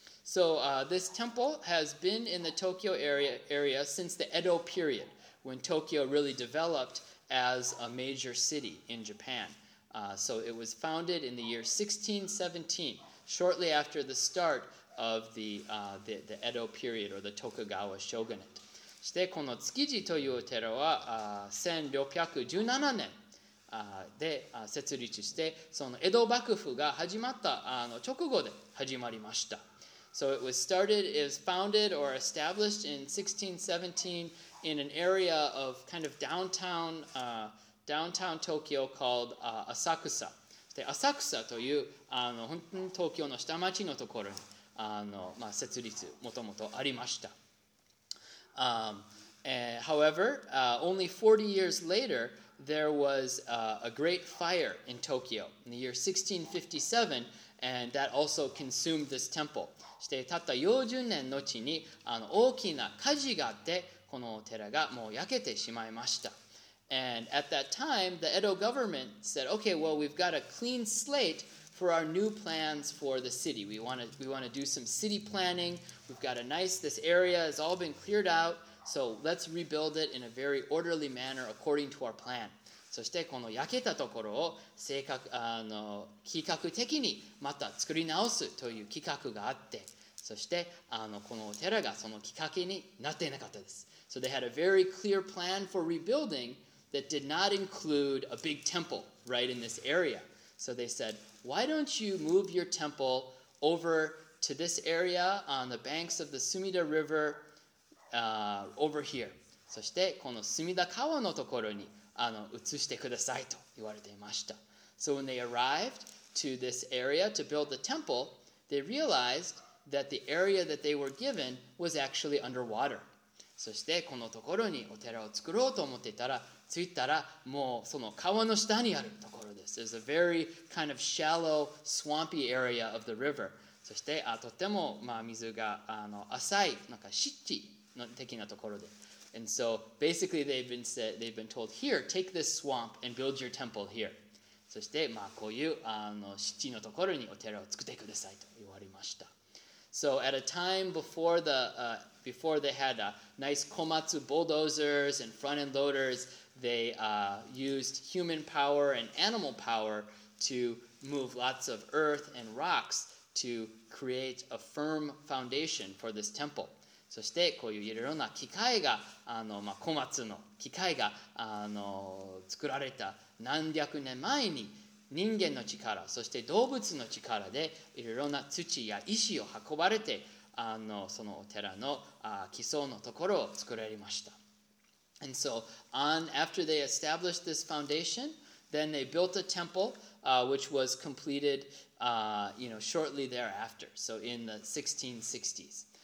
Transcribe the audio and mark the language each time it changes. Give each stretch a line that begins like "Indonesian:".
English: So this temple has been in the Tokyo area since the Edo period, when Tokyo really developed as a major city in Japan. So it was founded in the year 1617, shortly after the start of the Edo period or the Tokugawa shogunate.
Japanese: そしてこの築地というお寺は1617年で設立して、その江戸幕府が始まった直後で始まりました。
English: So it was started, it was founded or established in 1617 in an area of kind of downtown Tokyo called Asakusa.
Japanese: で、Asakusa という本当に東京の下町のところに設立もともとありました。
English: However, only 40 years later, there was a great fire in Tokyo in the year 1657, and that also consumed this temple.
Japanese: してたった40年のちに大きな火事があって、このお寺がもう焼けてしまいました。
English: And at that time, the Edo government said, okay, well, we've got a clean slate for our new plans for the city. We want to do some city planning. We've got a nice, this area has all been cleared out. So let's rebuild it in a very orderly manner according to our plan.
Japanese: そしてこの焼けたところを計画的にまた作り直すという企画があって、そしてこのお寺がそのきっかけになっていなかったです。
English: So they had a very clear plan for rebuilding that did not include a big temple right in this area. So they said, why don't you move your temple over to this area on the banks of the Sumida River over here.
Japanese: そしてこの隅田川のところに移してくださいと言われていました。
English: So when they arrived to this area to build the temple, they realized that the area that they were given was actually underwater.
Japanese: そしてこのところにお寺を作ろうと思っていたら、着いたらもうその川の下にあるところです。
English: It's a very kind of shallow, swampy area of the river.
Japanese: そしてとてもまあ水が浅い、なんか湿地的なところで。
English: And so basically they've been told, here, take this swamp and build your temple here.
Japanese: そしてまあこういう湿地のところにお寺を作ってくださいと言われました。
English: So at a time before before they had nice Komatsu bulldozers and front end loaders, they used human power and animal power to move lots of earth and rocks to create a firm foundation for this temple.
Japanese: そしてこういういろいろな機械が小松の機械が作られた何百年前に、人間の力、そして動物の力でいろいろな土や石を運ばれて、そのお寺の基礎のところを作られました。
English: And so on after they established this foundation, then they built a temple which was completed shortly thereafter, so in the 1660s.